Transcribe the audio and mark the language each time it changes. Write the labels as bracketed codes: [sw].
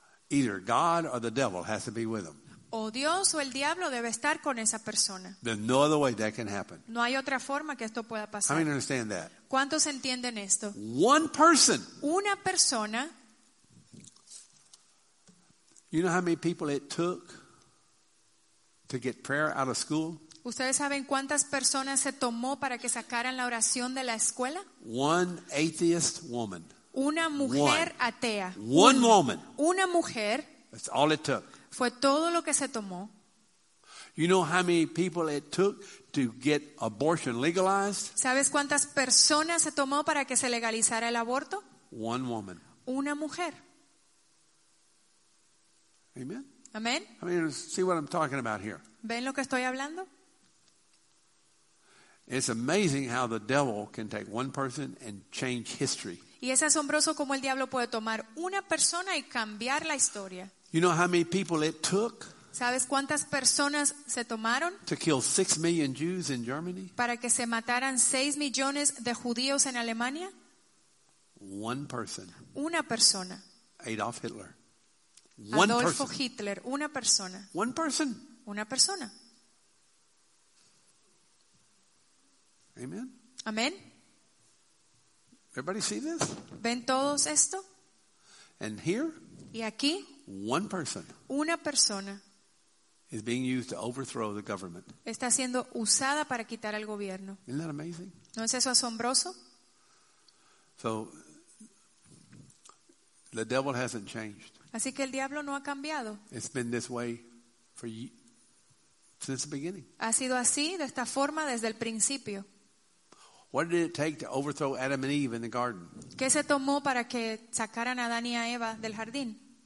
[en] Either God or the devil has to be with him. [es] O Dios o el diablo debe estar con esa persona. [en] There's no other way that can happen. [es] No hay otra forma que esto pueda pasar. [en] How many understand that? [es] ¿Cuántos entienden esto? [en] One person. [es] Una persona. [en] You know how many people it took to get prayer out of school? [es] ¿Ustedes saben cuántas personas se tomó para que sacaran la oración de la escuela? [en] One atheist woman. [es] Una mujer atea. [en] One woman. [es] Una mujer. [en] That's all it took. [es] Fue todo lo que se tomó. [en] You know how many people it took to get abortion legalized? [es] ¿Sabes cuántas personas se tomó para que se legalizara el aborto? [en] One woman. [es] Una mujer. [en] Amen. [es] Amen. [en] I mean, see what I'm talking about here. [es] ¿Ven lo que estoy hablando? [en] It's amazing how the devil can take one person and change history. [es] Y es asombroso cómo el diablo puede tomar una persona y cambiar la historia. [en] You know how many people it took? [es] ¿Sabes cuántas personas se tomaron? [en] To kill 6 million Jews in Germany? [es] Para que se mataran 6 millones de judíos en Alemania. [en] One person. [es] Una persona. [en] Adolf Hitler. [es] Adolfo Hitler, una persona. [en] One person. [es] Una persona. [en] Amen. [es] Amen. [en] Everybody see this? [es] ¿Ven todos esto? [en] And here? [es] Y aquí? [en] One person. [es] Una persona. [en] Is being used to overthrow the government. [es] Está siendo usada para quitar al gobierno. [en] Isn't that amazing? [es] ¿No es eso asombroso? [en] So, the devil hasn't changed. [es] Así que el diablo no ha cambiado. [en] It's been this way for since the beginning. [es] Ha sido así de esta forma desde el principio. [en] What did it take to overthrow Adam and Eve in the garden? [es] ¿Qué se tomó para que sacaran a Adán y a Eva del jardín?